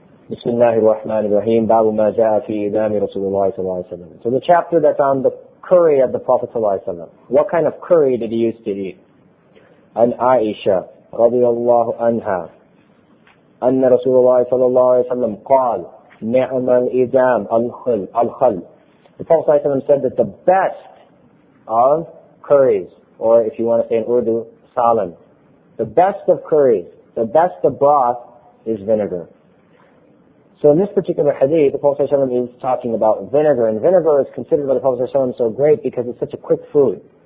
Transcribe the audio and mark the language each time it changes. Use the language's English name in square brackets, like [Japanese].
[Arabic] بسم الله الرحمن الرحيم باب ما جاء في إذام رسول الله صلى الله عليه وسلم. [English] So the chapter that's on the curry of the Prophet صلى الله عليه وسلم. What kind of curry did he used to eat? [Arabic] عن عائشة رضي الله عنها أن رسول الله صلى الله عليه وسلم قال نعم الإذام الخل. [English] The Prophet صلى الله عليه وسلم said that the best of curries, or if you want to say in Urdu, salan, the best of curries, the best of broth is vinegar. So in this particular hadith, the Prophet ﷺ is talking about vinegar, and vinegar is considered by the Prophet ﷺ so great because it's such a quick food.